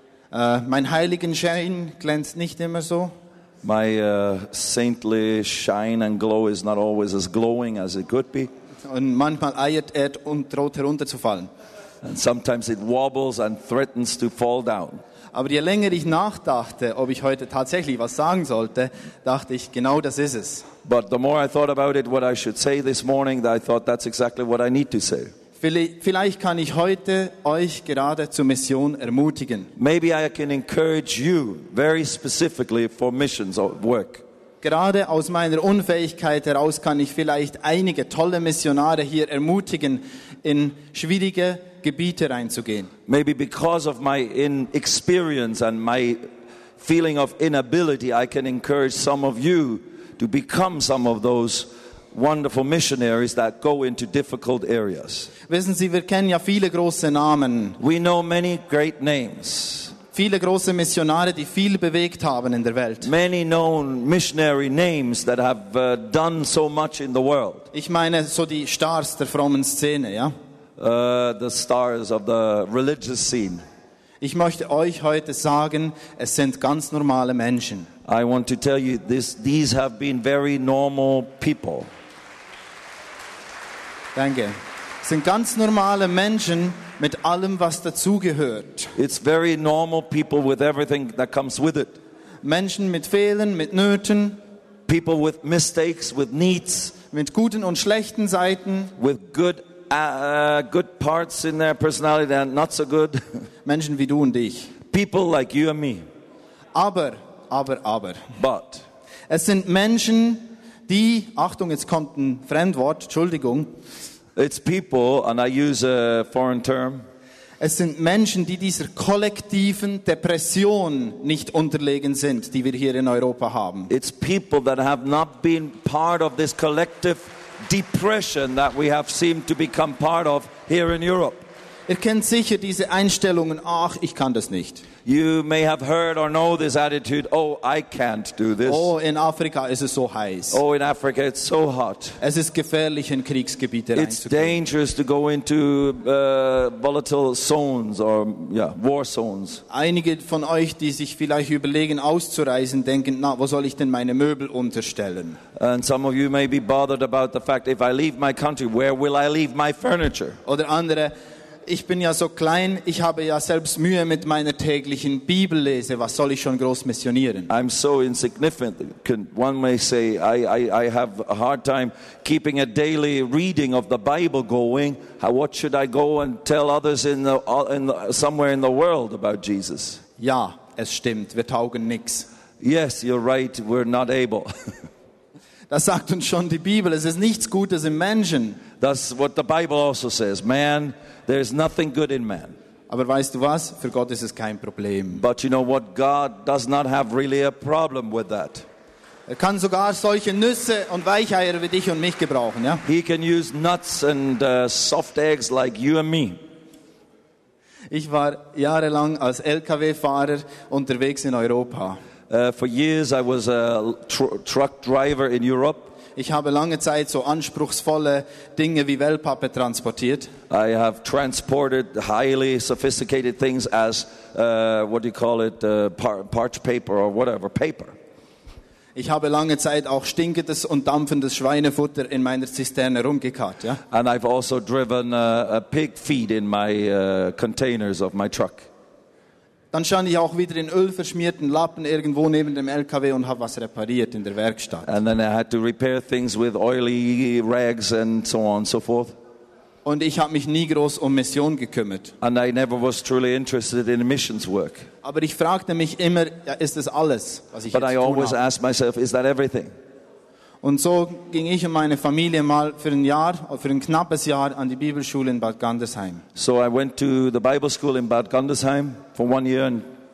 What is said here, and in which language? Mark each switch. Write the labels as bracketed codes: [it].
[de] Mein Heiligenschein glänzt nicht immer so. [en] My saintly shine and glow is not always as glowing as it could be. [de] Und manchmal eiert er und droht herunterzufallen. [en] And sometimes it wobbles and threatens to fall down. [de] Aber je länger ich nachdachte, ob ich heute tatsächlich was sagen sollte, dachte ich, genau das ist es. [en] But the more I thought about it, what I should say this morning, I thought that's exactly what I need to say. [de] Vielleicht kann ich heute euch gerade zur Mission ermutigen. [en] Maybe I can encourage you very specifically for missions or work. [de] Gerade aus meiner Unfähigkeit heraus kann ich vielleicht einige tolle Missionare hier ermutigen, in schwierige Gebiete reinzugehen. [en] Maybe because of my inexperience and my feeling of inability, I can encourage some of you to become some of those wonderful missionaries that go into difficult areas. [de] Wissen Sie, wir kennen ja viele große Namen. [en] We know many great names. [de] Viele große Missionare, die viel bewegt haben in der Welt. [en] Many known missionary names that have done so much in the world. [de] Ich meine so die Stars der frommen Szene, ja? [en] The stars of the religious scene. [de] Ich möchte euch heute sagen, es sind ganz normale Menschen. [en] I want to tell you these have been very normal people. [de] Danke. Es sind ganz normale Menschen mit allem, was dazugehört. [en] It's very normal people with everything that comes with it. [de] Menschen mit Fehlern, mit Nöten. [en] People with mistakes, with needs. [de] Mit guten und schlechten Seiten. [en] With good parts in their personality and not so good. [de] Menschen wie du und ich. [en] People like you and me. [de] Aber. [en] But. [de] Es sind Menschen, die, Achtung, jetzt kommt ein Fremdwort, Entschuldigung. [en] It's people, and I use a foreign term. [de] Es sind Menschen, die dieser kollektiven Depression nicht unterlegen sind, die wir hier in Europa haben. [en] It's people that have not been part of this collective depression that we have seemed to become part of here in Europe. [de] Ihr kennt sicher diese Einstellungen, ach, ich kann das nicht. [en] You may have heard or know this attitude, oh, I can't do this. [de] Oh, in Afrika ist es so heiß. [en] Oh, in Africa it's so hot. [de] Es ist gefährlich, in Kriegsgebiete reinzugehen. [en] It's dangerous to go into volatile zones or yeah, war zones. [de] Einige von euch, die sich vielleicht überlegen auszureisen, denken, na, wo soll ich denn meine Möbel unterstellen? [en] And some of you may be bothered about the fact, if I leave my country, where will I leave my furniture? [de] Oder andere, ich bin ja so klein, ich habe ja selbst Mühe mit meiner täglichen Bibellese. Was soll ich schon groß missionieren? [en] I'm so insignificant, one may say, I have a hard time keeping a daily reading of the Bible going. What should I go and tell others somewhere in the world about Jesus? [de] Ja, es stimmt, wir taugen nichts. [en] Yes, you're right, we're not able. [de] Das sagt uns schon die Bibel, es ist nichts Gutes im Menschen. [en] That's what the Bible also says, man. There is nothing good in man. [de] Aber weißt du was? Für Gott ist es kein Problem. [en] But you know what? God does not have really a problem with that. [de] Er kann sogar solche Nüsse und Weicheier wie dich und mich gebrauchen, ja? [en] He can use nuts and soft eggs like you and me. [de] Ich war jahrelang als LKW-Fahrer unterwegs in Europa. [en] For years I was a truck driver in Europe. [de] Ich habe lange Zeit so anspruchsvolle Dinge wie Wellpappe transportiert. [en] I have transported highly sophisticated things as what do you call it, parchment paper or whatever, paper. [de] Ich habe lange Zeit auch stinkendes und dampfendes Schweinefutter in meiner Zisterne rumgekarrt, ja? [en] And I've also driven a pig feed in my containers of my truck. [de] Dann stand ich auch wieder in ölverschmierten Lappen irgendwo neben dem LKW und habe was repariert in der Werkstatt. [en] And then I had to repair things with oily rags and so on and so forth. [de] Und ich habe mich nie groß um Mission gekümmert. [en] And I never was truly interested in missions work. [de] Aber ich fragte mich immer, ja, ist das alles, was ich [en] But [de] jetzt [en] I [de] tun [en] always [de] habe? [en] Asked myself, is that everything? [de] Und so ging ich und meine Familie mal für ein Jahr, für ein knappes Jahr an die Bibelschule in Bad Gandersheim. [en] So I went to the Bible school in Bad Gandersheim for one year. And,